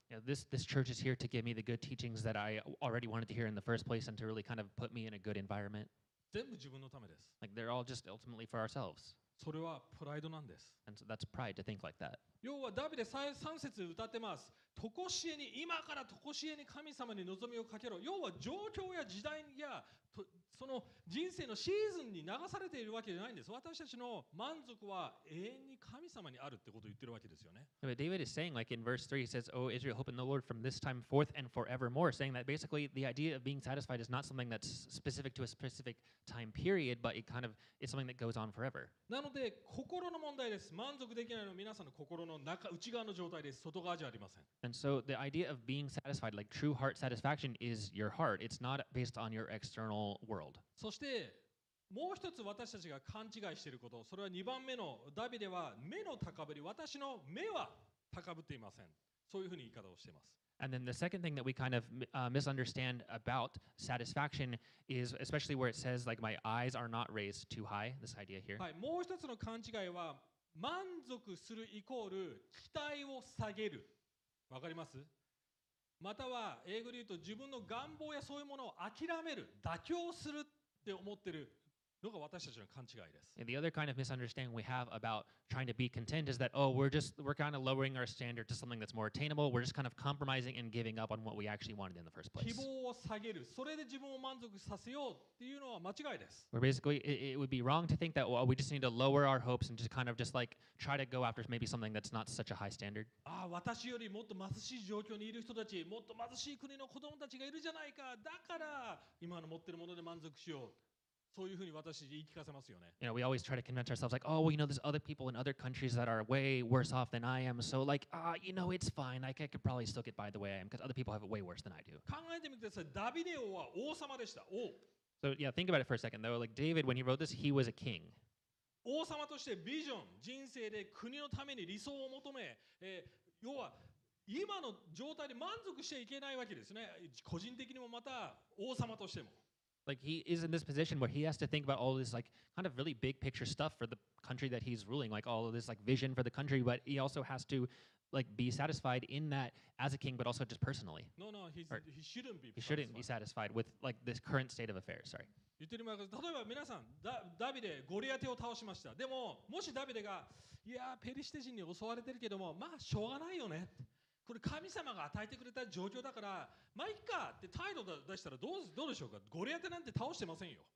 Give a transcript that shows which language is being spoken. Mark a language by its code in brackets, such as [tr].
[en] Yeah, this church is here to give me the good teachings that I already wanted to hear in the first place and to really kind of put me in a good environment. [ja] 全部自分のためです。 [en] Like they're all just ultimately for ourselves. [ja] それはプライドなんです。 [en] And so that's pride to think like that. [ja] 要はダビデ3節歌ってます。とこしえに今からとこしえに神様に望みをかけろ。要は状況や時代やその人生のシーズンに流されているわけじゃないんです。私たちの満足は永遠に神様にあるってことを言ってるわけですよね。 [en] But David is saying like in verse 3 he says, Oh Israel, hope in the Lord from this time forth and forevermore, saying that basically the idea of being satisfied is not something that's specific to a specific time period, but it kind of is something that goes on forever. [ja] なので心の問題です。満足できないのは皆さんの心の中内側の状態です。外側じゃありません。 [en] And so the idea of being satisfied, like true heart satisfaction, is your heart. It's not based on your external world. [ja] そしてもう一つ私たちが勘違いしていること、それは2番目のダビデは目の高ぶり、私の目は高ぶっていません。そういうふうに言い方をしています。 [en] And then the second thing that we kind of misunderstand about satisfaction is especially where it says like my eyes are not raised too high, this idea here. [ja] はい、もう一つの勘違いは満足するイコール期待を下げる。わかります? または英語で言うと自分の願望やそういうものを諦める、妥協するって思ってるのが私たちの勘違いです。 [en] And the other kind of misunderstanding we have about trying to be content is that, oh, we're kind of lowering our standard to something that's more attainable. We're just kind of compromising and giving up on what we actually wanted in the first place. [ja] 希望を下げる。それで自分を満足させようっていうのは間違いです。 [en] We're basically, it would be wrong to think that, well, we just need to lower our hopes and just kind of just like try to go after maybe something that's not such a high standard. [ja] ああ、私よりもっと貧しい状況にいる人たち、もっと貧しい国の子供たちがいるじゃないか。だから今の持ってるもので満足しよう。そういうふうに私に言い聞かせますよね。 [en] You know, we always try to convince ourselves like, oh, well, you know, there's other people in other countries that are way worse off than I am. So like, you know, it's fine. I could probably still get by the way I am because other people have it way worse than I do. [ja] 考えてみてください。ダビデ王は王様でした。王。 [en] So yeah, think about it for a second though. Like David, when he wrote this, he was a king. [ja] 王様としてビジョン、人生で国のために理想を求め、要は今の状態で満足していけないわけですね。個人的にもまた王様としても。 [en] Like he is in this position where he has to think about all this like kind of really big picture stuff for the country that he's ruling, like all of this like vision for the country, but he also has to like be satisfied in that as a king, but also just personally. No, no, he shouldn't be. He shouldn't be satisfied with like this current state of affairs. Sorry. [ja] 言ってみます。例えば皆さん、ダビデゴリアテを倒しました。でももしダビデがいやペリシテ人に襲われてるけどもまあしょうがないよね。これ神様が与えてくれた状況だから、まあいいかって態度出したらどうでしょうか。ゴリアテなんて倒してませんよ。